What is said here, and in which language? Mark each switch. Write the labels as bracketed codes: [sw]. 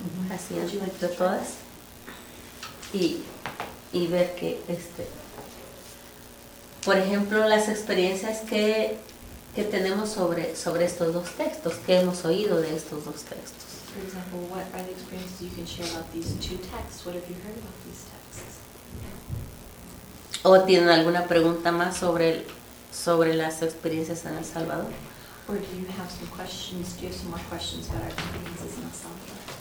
[es] Así entre todas. Y ver que, por ejemplo, las experiencias que tenemos sobre estos dos textos, que hemos oído de estos dos textos. [en] For example, what are the experiences you can share about these two texts? What have you heard about these texts? [es] ¿O tienen alguna pregunta más sobre las experiencias en El Salvador? [en] Or do you have some questions? Do you have some more questions about our experiences in El Salvador?